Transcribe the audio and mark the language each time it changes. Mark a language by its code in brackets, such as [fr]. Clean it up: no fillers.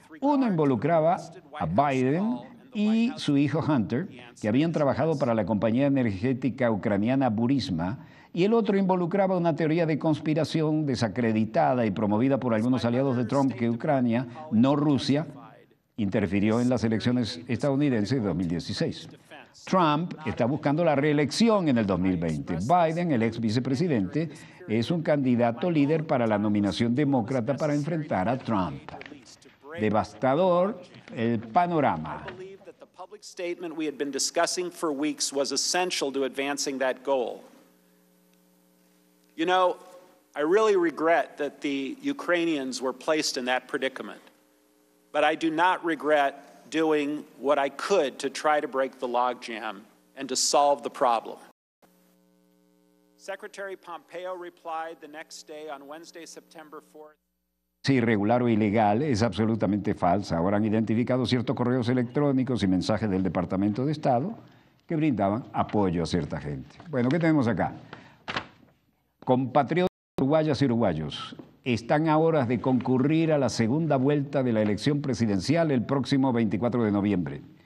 [es] Una involucraba a Biden y su hijo Hunter, que habían trabajado para la compañía energética ucraniana Burisma, y el otro involucraba una teoría de conspiración desacreditada y promovida por algunos aliados de Trump que Ucrania, no Rusia, interfirió en las elecciones estadounidenses de 2016. Trump está buscando la reelección en el 2020. Biden, el ex vicepresidente, es un candidato líder para la nominación demócrata para enfrentar a Trump. Devastador el panorama. [en] Public statement we had been discussing for weeks was essential to advancing that goal. You know, I really regret that the Ukrainians were placed in that predicament, but I do not regret doing what I could to try to break the logjam and to solve the problem. Secretary Pompeo replied the next day on Wednesday, September 4th. [es] Irregular o ilegal es absolutamente falsa. Ahora han identificado ciertos correos electrónicos y mensajes del Departamento de Estado que brindaban apoyo a cierta gente. Bueno, ¿qué tenemos acá? Compatriotas uruguayas y uruguayos están a horas de concurrir a la segunda vuelta de la elección presidencial el próximo 24 de noviembre.